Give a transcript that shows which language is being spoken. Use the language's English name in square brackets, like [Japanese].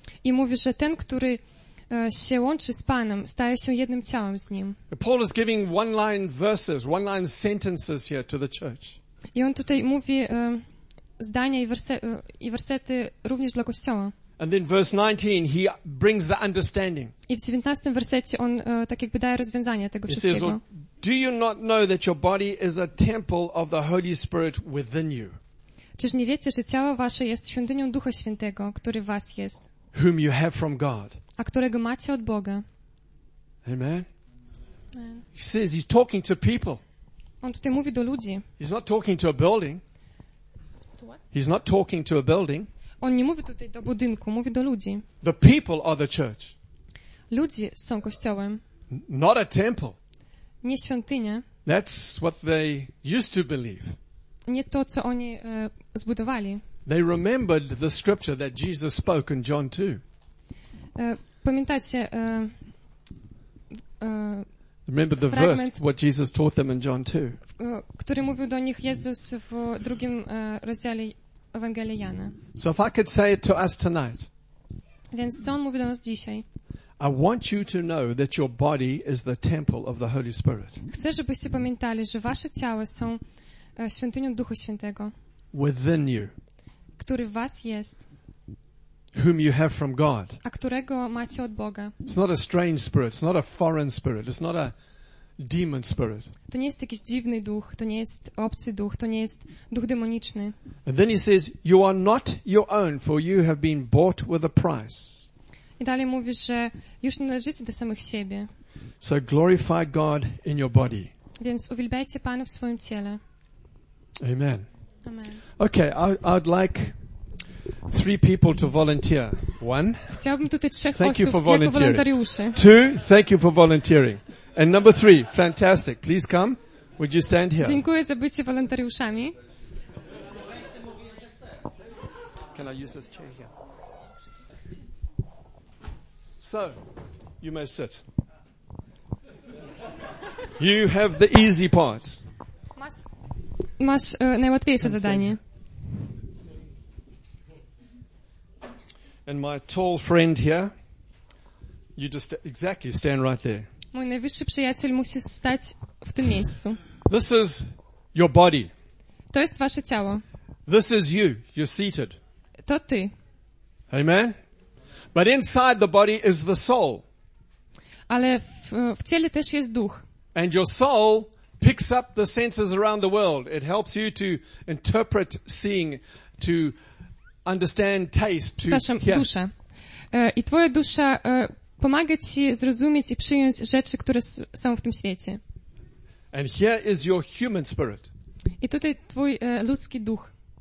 [Polish] I mówił, że ten, który się łączy z Panem, staje się jednym ciałem z Nim. [English] Paul is giving one-line verses, one-line sentences here to the church. [Polish] I on tutaj mówi zdania i wersety również dla Kościoła. [English] And then verse 19, he brings the understanding. [Polish] I w 19 wersecie on tak jakby daje rozwiązanie tego wszystkiego. [English] He says, do you not know that your body is a temple of the Holy Spirit within you? [Polish] Czyż nie wiecie, że ciało wasze jest świątynią Ducha Świętego, który w was jest? [English] Whom you have from God. [Polish] A którego macie od Boga. [English] Amen. He says he's talking to people. [Polish] On tutaj mówi do ludzi. [English] He's not talking to a building. To what? He's not talking to a building. [Polish] On nie mówi tutaj do budynku, mówi do ludzi. [English] The people are the church. [Polish] Ludzie są kościołem. [English] Not a temple. [Polish] Nie świątynia. [English] That's what they used to believe. [Polish] Nie to, co oni zbudowali. [English] They remembered the scripture that Jesus spoke in John 2. [Polish] Pamiętacie [English] remember the verse what Jesus taught them in John 2. [Polish] Który mówił do nich Jezus w drugim rozdziale Ewangelii Jana. [English] So if I could say it to us tonight. [Polish] Więc co on mówi do nas dzisiaj? [English] I want you to know that your body is the temple of the Holy Spirit. [Polish] Chcę, żebyście pamiętali, że wasze ciała są świątynią Ducha Świętego. [English] Within you. [Polish] Który w was jest. [English] Whom you have from God. [Polish] A którego macie od Boga. [English] It's not a strange spirit, it's not a foreign spirit, it's not a demon spirit. [Polish] To nie jest jakiś dziwny duch, to nie jest obcy duch, to nie jest duch demoniczny. [English] And then he says, you are not your own, for you have been bought with a price. [Polish] I dalej mówi, że już nie należycie do samych siebie. [English] So glorify God in your body. [Polish] Więc uwielbiajcie Pana w swoim ciele. [English] Amen. Amen. Okay, I'd like three people to volunteer. One. [Polish] Chciałbym tutaj trzech osób. [English] Thank you for volunteering. [Polish] Jako wolontariuszy. [English] Two. Thank you for volunteering. And number three, fantastic. Please come. Would you stand here? [Polish] Dziękuję za bycie wolontariuszami. [English] Can I use this chair here? So, you may sit. You have the easy part. [Polish] Masz najłatwiejsze zadanie. [English] And my tall friend here, you just exactly stand right there. [Polish] Mój najwyższy przyjaciel musi stać w tym miejscu. [English] This is your body. [Polish] To jest wasze ciało. [English] This is you. You're seated. [Polish] To ty. [English] Amen. But inside the body is the soul. [Polish] Ale w ciele też jest duch. [English] And your soul picks up the senses around the world. It helps you to interpret seeing, to understand taste, to hear. [Polish] Dusza. I twoja dusza pomaga ci zrozumieć i przyjąć rzeczy, które są w tym świecie. [English] And here is your human spirit. [Polish] I tutaj twój ludzki duch.